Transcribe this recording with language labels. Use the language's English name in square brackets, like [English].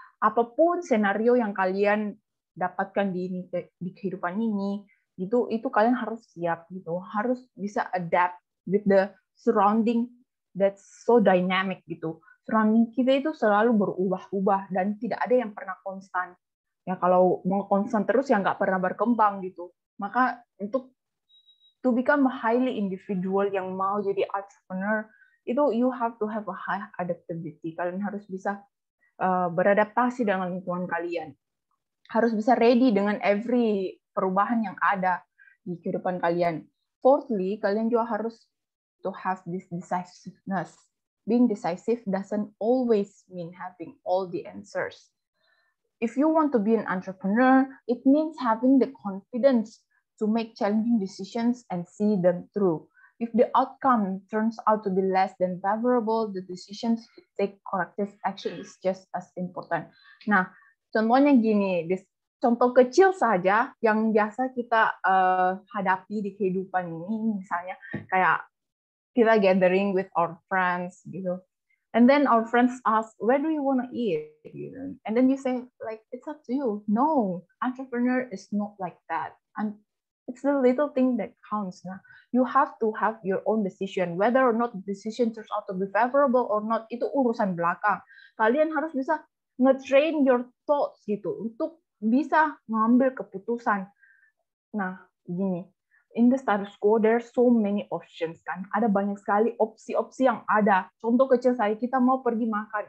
[Indonesian] Apapun senario yang kalian dapatkan di kehidupan ini, gitu, itu kalian harus siap. Gitu. Harus bisa [English] adapt with the surrounding that's so dynamic. [Indonesian] Gitu. Surrounding kita itu selalu berubah-ubah dan tidak ada yang pernah konstan. Ya kalau mau konstan terus ya nggak pernah berkembang gitu. Maka untuk [English] to become a highly individual [Indonesian] yang mau jadi entrepreneur, itu [English] you have to have a high adaptability. [Indonesian] Kalian harus bisa beradaptasi dengan lingkungan kalian. Harus bisa ready dengan every perubahan yang ada di kehidupan kalian. [English] Fourthly, [Indonesian] kalian juga harus [English] to have this decisiveness. Being decisive doesn't always mean having all the answers. If you want to be an entrepreneur, it means having the confidence to make challenging decisions and see them through. If the outcome turns out to be less than favorable, the decisions to take corrective action is just as important. [Indonesian] Nah, contohnya gini, contoh kecil saja yang biasa kita hadapi di kehidupan ini, misalnya kayak kita [English] gathering with our friends, [Indonesian] gitu. [English] And then our friends ask, where do you want to eat? And then you say, like, it's up to you. No, entrepreneur is not like that. And it's the little thing that counts. Nah, you have to have your own decision. Whether or not the decision turns out to be favorable or not, [Indonesian] itu urusan belakang. Kalian harus bisa [English] nge-train your thoughts, [Indonesian] gitu, untuk bisa ngambil keputusan. Nah, gini. [English] In the status quo, there are so many options, kan? [Indonesian] Ada banyak sekali opsi-opsi yang ada. Contoh kecil saya, kita mau pergi makan.